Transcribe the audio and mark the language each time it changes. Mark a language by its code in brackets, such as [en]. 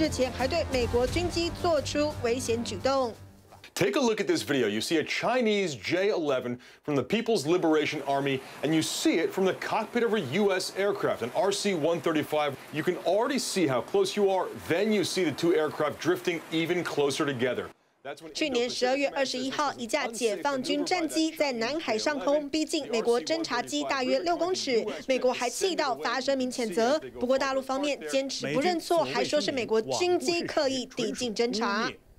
[zh] 和北韩一样，把美国当头号敌人的中国大陆，最近也动作频频，除了三不五时公布战机演习片，日前还对美国军机做出危险举动。 [en] Take a look at this video. You see a Chinese J-11 from the People's Liberation Army, and you see it from the cockpit of a U.S. aircraft, an RC-135. You can already see how close you are. Then you see the two aircraft drifting even closer together. [zh] 去年12月21号，一架解放军战机在南海上空逼近美国侦察机大约6公尺，美国还气到发声明谴责。不过大陆方面坚持不认错，还说是美国军机刻意抵近侦察。